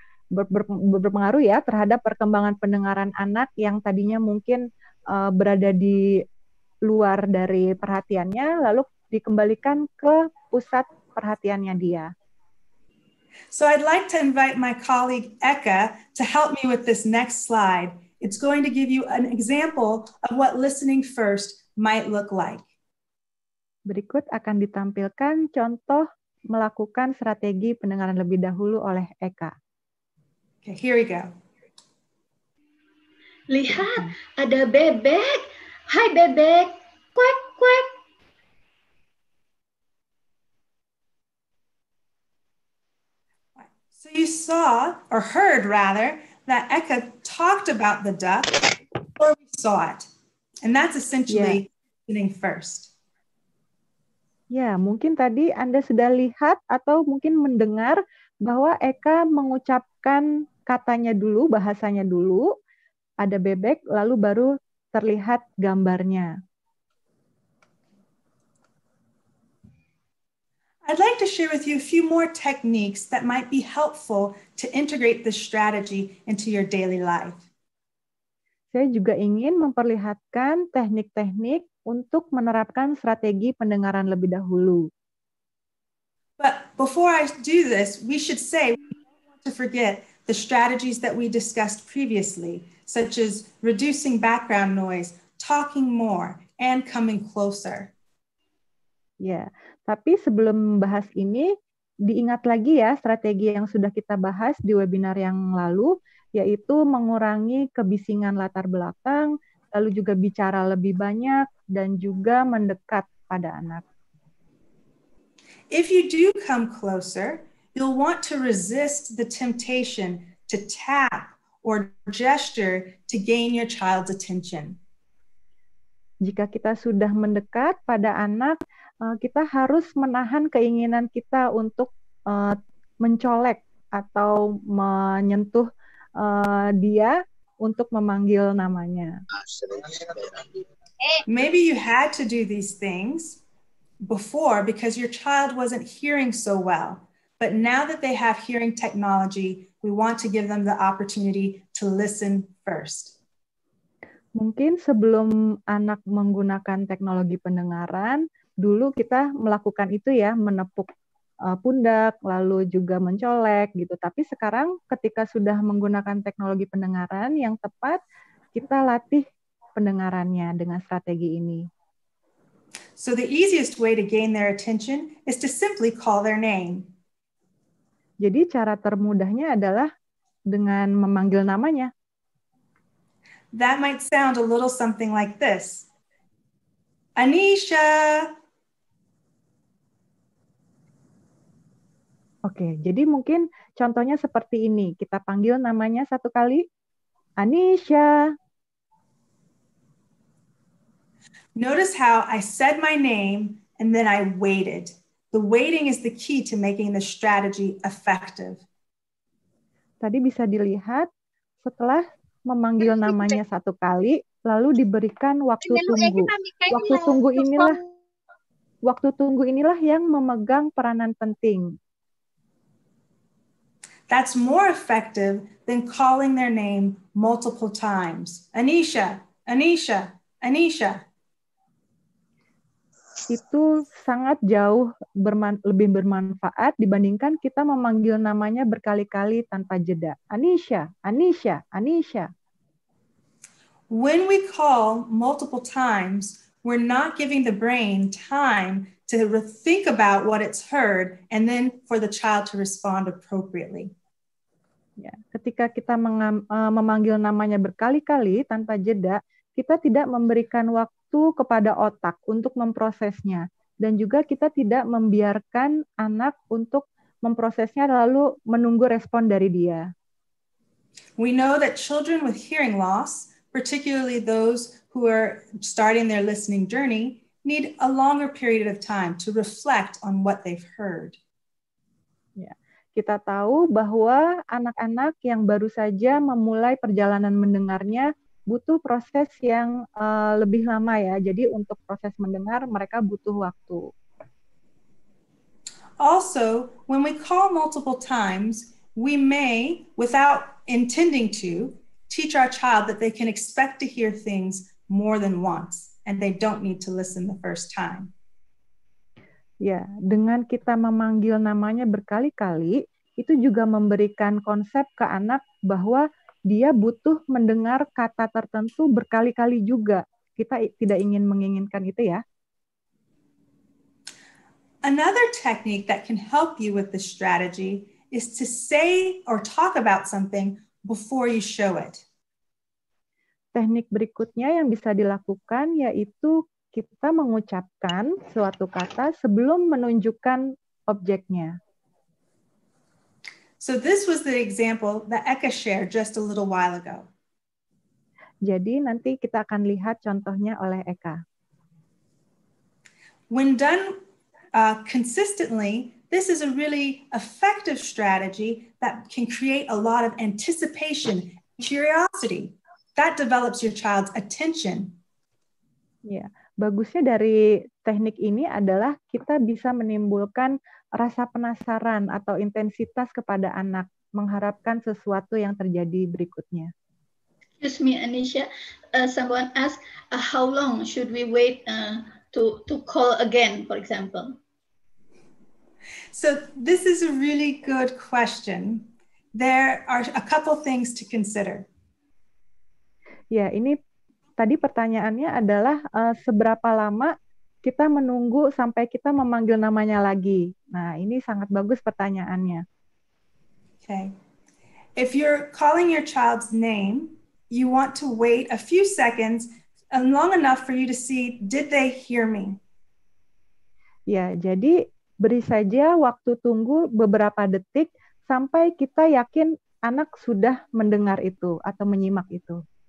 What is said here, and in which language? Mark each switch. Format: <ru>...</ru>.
<id>berpengaruh ya terhadap perkembangan pendengaran anak yang tadinya mungkin berada di luar dari perhatiannya, lalu dikembalikan ke pusat perhatiannya dia.</id> <en>So I'd like to invite my colleague Eka to help me with this next slide. It's going to give you an example of what listening first might look like.</en> <id>Berikut akan ditampilkan contoh melakukan strategi pendengaran lebih dahulu oleh Eka.</id> <en>Okay, here we go.</en> <id>Lihat, ada bebek. Hai bebek. Kuek, kuek.</id> <en>So you saw, or heard rather, that Eka talked about the duck before we saw it. And that's essentially listening first.</en> <id>Ya, mungkin tadi Anda sudah lihat atau mungkin mendengar bahwa Eka mengucapkan katanya dulu, bahasanya dulu, ada bebek, lalu baru terlihat gambarnya.</id> <en>I'd like to share with you a few more techniques that might be helpful to integrate this strategy into your daily life.</en> <id>Saya juga ingin memperlihatkan teknik-teknik untuk menerapkan strategi pendengaran lebih dahulu.</id> <en>But before I do this, we should say we don't want to forget the strategies that we discussed previously, such as reducing background noise, talking more, and coming closer.</en> <id>Tapi sebelum membahas ini, diingat lagi ya strategi yang sudah kita bahas di webinar yang lalu, yaitu mengurangi kebisingan latar belakang, lalu juga bicara lebih banyak, dan juga mendekat pada anak.</id> <en>If you do come closer, you'll want to resist the temptation to tap or gesture to gain your child's attention.</en> <id>Jika kita sudah mendekat pada anak, kita harus menahan keinginan kita untuk mencolek atau menyentuh dia untuk memanggil namanya.</id> <en>Maybe you had to do these things before because your child wasn't hearing so well. But now that they have hearing technology, we want to give them the opportunity to listen first.</en> <id>Mungkin sebelum anak menggunakan teknologi pendengaran, dulu kita melakukan itu ya, menepuk pundak, lalu juga mencolek gitu. Tapi sekarang ketika sudah menggunakan teknologi pendengaran yang tepat, kita latih pendengarannya dengan strategi ini.</id> <en>So the easiest way to gain their attention is to simply call their name.</en> <id>Jadi cara termudahnya adalah dengan memanggil namanya.</id> <en>That might sound a little something like this. Anisha!</en> <id>Oke, jadi mungkin contohnya seperti ini. Kita panggil namanya satu kali. Anisha.</id> <en>Notice how I said my name and then I waited. The waiting is the key to making the strategy effective.</en> <id>Tadi bisa dilihat setelah memanggil namanya satu kali, lalu diberikan waktu tunggu. Waktu tunggu inilah yang memegang peranan penting.</id> <en>That's more effective than calling their name multiple times. Anisha, Anisha, Anisha.</en> <id>Itu sangat jauh lebih bermanfaat dibandingkan kita memanggil namanya berkali-kali tanpa jeda. Anisha, Anisha, Anisha.</id> <en>When we call multiple times, we're not giving the brain time to think about what it's heard and then for the child to respond appropriately.</en> <id>Ya, ketika kita memanggil namanya berkali-kali tanpa jeda, kita tidak memberikan waktu kepada otak untuk memprosesnya. Dan juga kita tidak membiarkan anak untuk memprosesnya lalu menunggu respon dari dia.</id> <en>We know that children with hearing loss, particularly those who are starting their listening journey, need a longer period of time to reflect on what they've heard.</en> <id>Kita tahu bahwa anak-anak yang baru saja memulai perjalanan mendengarnya butuh proses yang lebih lama ya. Jadi untuk proses mendengar mereka butuh waktu.</id> <en>Also, when we call multiple times, We may, without intending to, teach our child that they can expect to hear things more than once and they don't need to listen the first time.</en> <id>Ya, dengan kita memanggil namanya berkali-kali, itu juga memberikan konsep ke anak bahwa dia butuh mendengar kata tertentu berkali-kali juga. Kita tidak ingin menginginkan itu ya.</id> <en>Another technique that can help you with this strategy is to say or talk about something before you show it.</en> <id>Teknik berikutnya yang bisa dilakukan yaitu kita mengucapkan suatu kata sebelum menunjukkan objeknya.</id> <en>So this was the example that Eka shared just a little while ago.</en> <id>Jadi nanti kita akan lihat contohnya oleh Eka.</id> <en>When done consistently, this is a really effective strategy that can create a lot of anticipation, curiosity. That develops your child's attention. Yeah.</en> <id>Bagusnya dari teknik ini adalah kita bisa menimbulkan rasa penasaran atau intensitas kepada anak mengharapkan sesuatu yang terjadi berikutnya.</id> <en>Excuse me, Anisha. Someone asked, how long should we wait to call again, for example? So this is a really good question. There are a couple things to consider.</en> <id>Ya, ini tadi pertanyaannya adalah seberapa lama kita menunggu sampai kita memanggil namanya lagi. Nah, ini sangat bagus pertanyaannya.</id> <en>Okay. If you're calling your child's name, you want to wait a few seconds and long enough for you to see, did they hear me?</en> <id>Ya, jadi beri saja waktu tunggu beberapa detik sampai kita yakin anak sudah mendengar itu atau menyimak itu.</id>